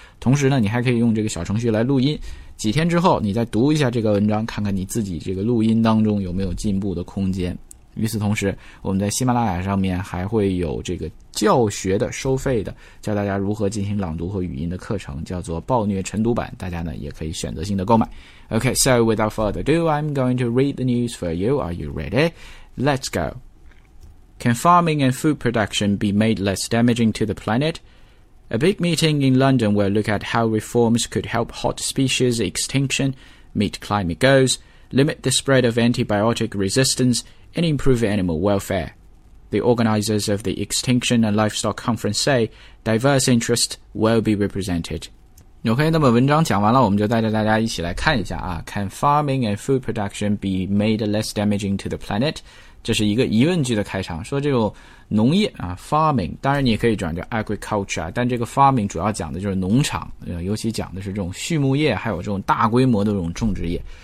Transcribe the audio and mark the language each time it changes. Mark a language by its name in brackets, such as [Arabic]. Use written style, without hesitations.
[Chinese] 同时呢，你还可以用这个小程序来录音，几天之后你再读一下这个文章，看看你自己这个录音当中有没有进步的空间。与此同时，我们在喜马拉雅上面还会有这个教学的收费的教大家如何进行朗读和语音的课程，叫做暴虐晨读版，大家呢也可以选择性的购买。 [English] OK, so without further ado, I'm going to read the news for you. Are you ready? Let's go. Can farming and food production be made less damaging to the planet? A big meeting in London will look at how reforms could help hot species extinction, meet climate goals, limit the spread of antibiotic resistanceand improve animal welfare. The organizers of the Extinction and Livestock Conference say diverse interests will be represented. [Chinese] OK, 那么文章讲完了，我们就带着大家一起来看一下啊。 [English] Can farming and food production be made less damaging to the planet? [Chinese] 这是一个疑问句的开场，说这种农业啊 ,farming, 当然你也可以转叫 agriculture, 但这个 farming 主要讲的就是农场，尤其讲的是这种畜牧业，还有这种大规模的这种种植业。